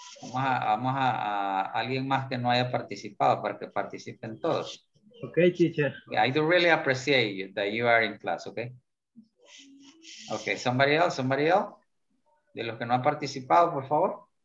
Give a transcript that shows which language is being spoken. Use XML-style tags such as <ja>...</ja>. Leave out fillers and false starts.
<es>Vamos a alguien más que no haya participado para que participen todos.</es> <en>Okay, teacher. I do really appreciate you, that you are in class, okay? Okay, somebody else?</en> <es>De los que no ha participado, por favor.</es>